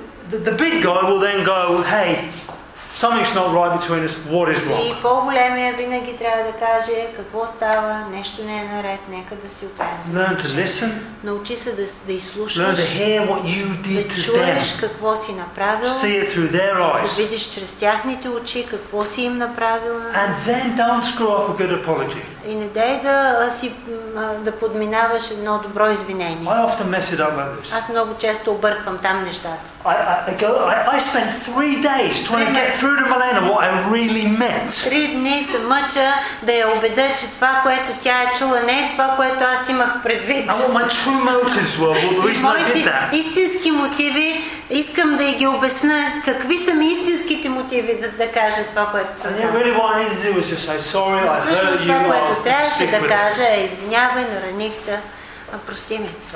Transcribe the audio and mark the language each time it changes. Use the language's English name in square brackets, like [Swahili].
[English] The big guy will then go, hey, something's not right between us. What is wrong? [Bulgarian] И по-големия винаги трябва да каже какво става, нещо не е наред, нека да си оправим. [English] Learn to listen. [Bulgarian] Научи се да изслушаш. [English] Learn to hear what you did to them. [Bulgarian] Да чуеш какво си направил. [English] See it through their eyes. [Bulgarian] Да видиш чрез тяхните очи какво си им направил. [English] And then don't screw up a good apology. [Bulgarian] И не дай да подминаваш едно добро извинение. [English] I often mess it up like this. [Bulgarian] Аз много често обърквам там нещата. [English] I spent 3 days trying to get through to Milena what I really meant. [Bulgarian] 3 дни се мъча да я убедя, че това, което тя е чула, не е това, което аз имах предвид. [English] And what my true motives were, what the reason I did that. [Bulgarian] Истински мотиви искам да ги обясня какви са ми истинските мотиви да кажа това, което съм казал. Всъщност това, което трябваше да кажа е извинявай, нараних те, прости ми.